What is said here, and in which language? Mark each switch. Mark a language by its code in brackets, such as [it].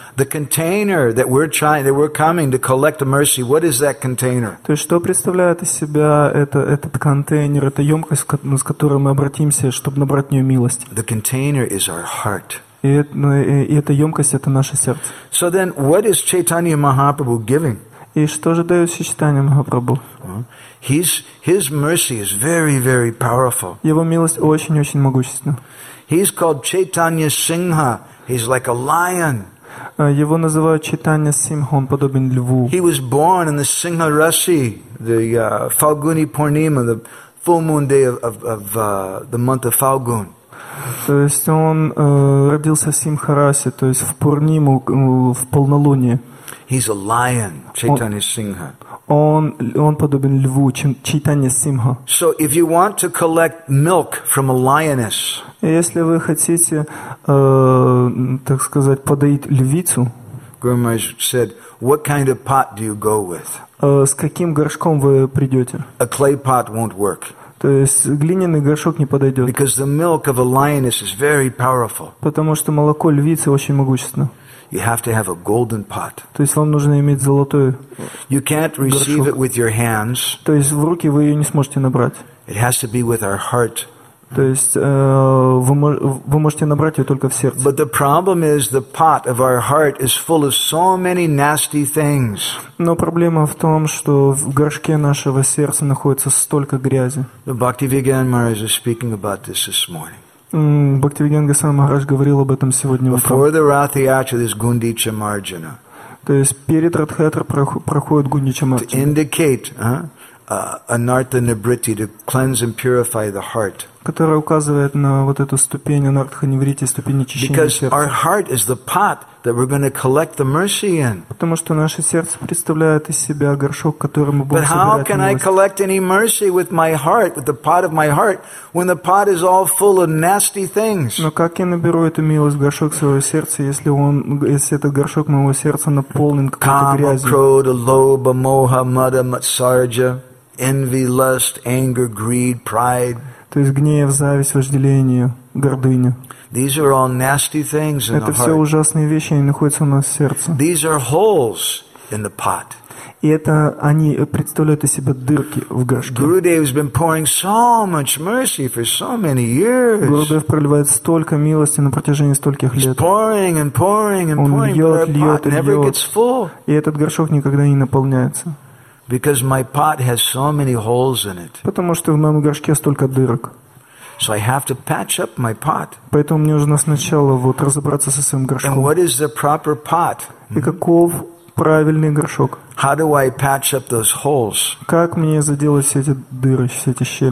[en] The container that we're trying, that we're coming to collect the mercy, what is that container? [ru] То есть, что представляет из себя этот контейнер, эта емкость, с которой мы обратимся, чтобы набрать в нее милость? [en] The container is our heart. [ru] И эта емкость — это наше сердце. [en] So then, what is Chaitanya Mahaprabhu giving? [ru] И что же дает Шри Чайтанья Махапрабху? [en] His mercy is very, very powerful. [ru] Его милость очень-очень могущественна. [en] He's called Chaitanya Singha. He's like a lion. [ru] Его называют Чайтанья Сингха, он подобен льву. [en] He was born in the Singha Rasi, the Falguni Purnima, the full moon day of the month of Falgun. [ru] То есть он родился в Симха Расе, то есть в Пурниму, в полнолуние. [en] He's a lion, Chaitanya Singha. [ru] Он подобен льву, Чайтанья Сингха. [en] So if you want to collect milk from a lioness, [ru] если вы хотите, так сказать, подоить львицу, [en] Guru Maharaj said, what kind of pot do you go with? [ru] С каким горшком вы придете? [en] A clay pot won't work. [ru] То есть глиняный горшок не подойдет. [en] Because the milk of a lioness is very powerful. [ru] Потому что молоко львицы очень могущественно. [en] You have to have a golden pot. [ru] То есть вам нужно иметь золотой горшок. [en] You can't receive it with your hands. [ru] То есть в руки вы ее не сможете набрать. [en] It has to be with our heart. [ru] То есть вы можете набрать ее только в сердце. [en] But the problem is the pot of our heart is full of so many nasty things. [ru] Но проблема в том, что в горшке нашего сердца находится столько грязи. [en] Bhaktivedanta Maharaj is speaking about this morning. [ru] Бхактивиданта Госвами Махарадж говорил об этом сегодня утром. [en] Before the Ratha Yatra, there's Гундича Марджана. [ru] То есть перед Ратха Ятра проходит Гундича Марджана. [en] To indicate Anartha Nivritti, to cleanse and purify the heart. [ru] Которая указывает на вот эту ступень Anartha Nivritti, ступень очищения сердца. [en] Because our heart is the pot that we're going to collect the mercy in. [ru] Потому что наше сердце представляет из себя горшок, который мы будем собирать. [en] But how can I collect any mercy with my heart, with the pot of my heart, when the pot is all full of nasty things? [ru] Но как я наберу эту милость в горшок своего сердца, если этот горшок моего сердца наполнен какой-то грязью? [sa] Kama, krodha, lobha, moha, mada, matsarja, [en] envy, lust, anger, greed, pride. [ru] То есть гнев, зависть, вожделение, гордыня. [en] These are all nasty things in the heart. [ru] Это все ужасные вещи, они находятся у нас в сердце. [en] These are holes in the pot. [ru] И это они представляют из себя дырки в горшке. [en] Gurudev has been pouring so much mercy for so many years. [ru] Gurudev проливает столько милости на протяжении стольких лет. [en] He's pouring and pouring and pouring, [ru] льет, [en] but our pot never gets full. [ru] И этот горшок никогда не наполняется. [en] Because my pot has so many holes in it. [ru] Потому что в моем горшке столько дырок. [en] So I have to patch up my pot. [ru] Поэтому мне нужно сначала вот разобраться со своим горшком. [en] And what is the proper pot? [ru] И каков правильный горшок? [en] How do I patch up those holes? [ru] Как мне заделать все эти дыры, все эти щели?